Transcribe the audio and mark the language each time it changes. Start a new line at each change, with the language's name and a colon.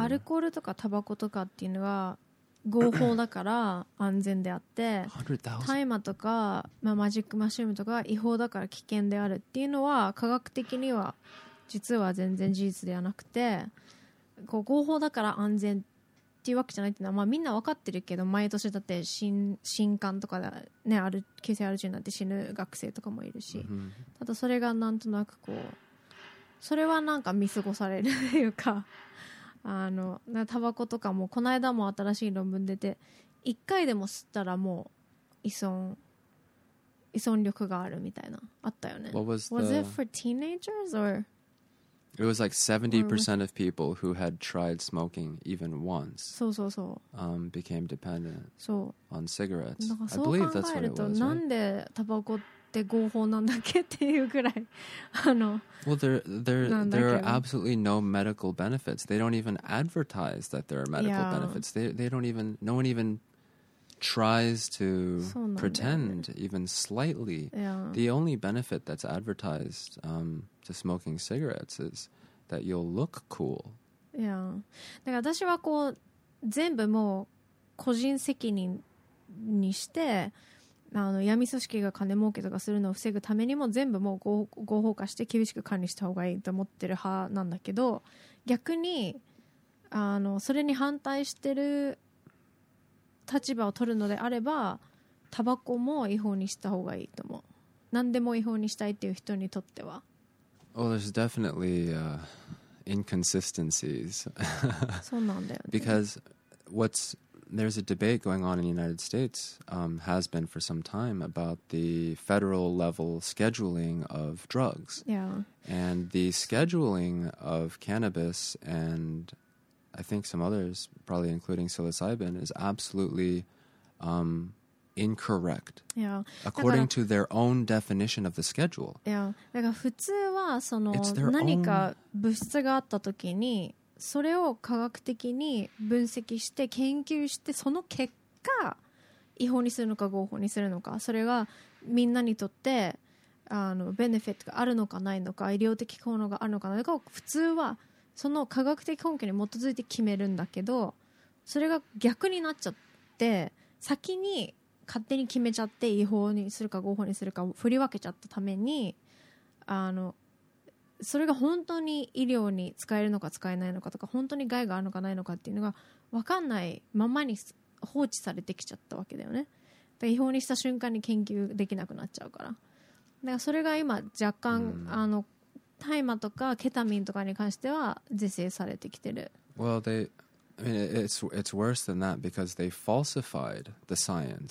Japanese: アルコールとかタバコとかっていうのは合法だから安全であって、大麻とか、まあ、マジックマッシュルームとか違法だから危険であるっていうのは科学的には実は全然事実ではなくて、こう合法だから安全っていうわけじゃないっていうのは、まあ、みんな分かってるけど、毎年だって新刊とかで、ね、ある急性アルチューになって死ぬ学生とかもいるし、ただそれがなんとなくこうそれはなんか見過ごされるというか、あのタバコとかもこの間も新しい論文出て、一回でも吸ったらもう依存力があるみたいなあったよね。
English: Was it for teenagers or? It was like 70% of people who had tried smoking even once.
Japanese: そうそうそう。
English: Became dependent.
Japanese: そう。
English: On cigarettes.
Japanese: なんかそう考えると、
English: I believe that's what it was,
Japanese: なんでタバコって合法なんだっけっていうぐらい、あの、
English: well, there are absolutely no medical benefits. They don't even advertise that there are medical benefits. They don't even, no one even tries to pretend even slightly. The only benefit that's advertised to smoking cigarettes is that you'll look cool.
Japanese: だから私はこう全部もう個人責任にして、あの闇組織が金儲けとかするのを防ぐためにも全部もう合法化して厳しく管理した方がいいと思ってる派なんだけど、逆にあのそれに反対してる立場を取るのであれば、タバコも違法にした方がいいと思う。何でも違法にしたいっていう人にとっては。
English: Well, there's definitely inconsistencies.
Japanese: そうなんだよね。
English: Because what'sThere's a debate going on in the United States, has been for some time, about the federal level scheduling of drugs. Yeah. And the scheduling of cannabis and I think some others, probably including psilocybin, is absolutely incorrect. Yeah. According to their own definition of the schedule. Yeah.
Japanese: だから普通はその何か物質があった時にそれを科学的に分析して研究して、その結果違法にするのか合法にするのか、それがみんなにとってあのベネフィットがあるのかないのか、医療的効能があるのかないのか、普通はその科学的根拠に基づいて決めるんだけど、それが逆になっちゃって先に勝手に決めちゃって違法にするか合法にするか振り分けちゃったために、あのそれが本当に医療に使えるのか使えないのかとか、本当に害があるのかないのかっていうのが分かんないままに放置されてきちゃったわけだよね。で、違法にした瞬間に研究できなくなっちゃうから。だからそれが今若干、あの、大麻とかケタミンとかに関しては是正されてきてる。
English: Well, they, I mean, it's worse than that because they falsified the science.